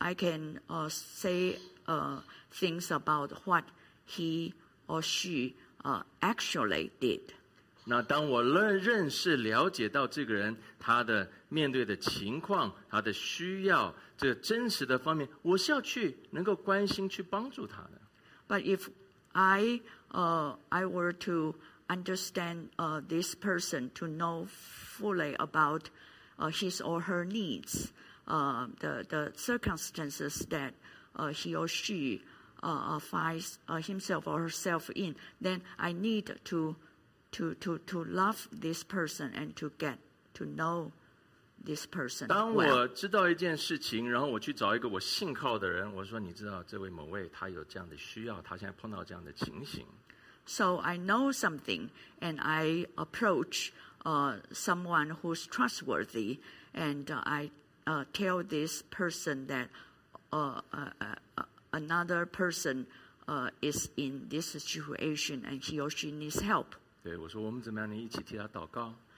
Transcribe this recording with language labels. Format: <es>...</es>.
<en>I can say things about what he or she actually did.</en> <zh>那当我认识了解到这个人他的面对的情况他的需要这个、真实的方面我是要去能够关心去帮助他的。</zh> <en>But if I were to understand this person to know fully about his or her needs, the circumstances that he or she finds himself or herself in, then I need to love this person and to get to know this person.</en> <zh>当我知道一件事情，然后我去找一个我信靠的人，我说：“你知道这位某位他有这样的需要，他现在碰到这样的情形。”</zh> <en>So I know something, and I approach someone who's trustworthy, and I tell this person that another person is in this situation, and he or she needs help.</en> <zh>对，我说我们怎么样能一起替他祷告</zh>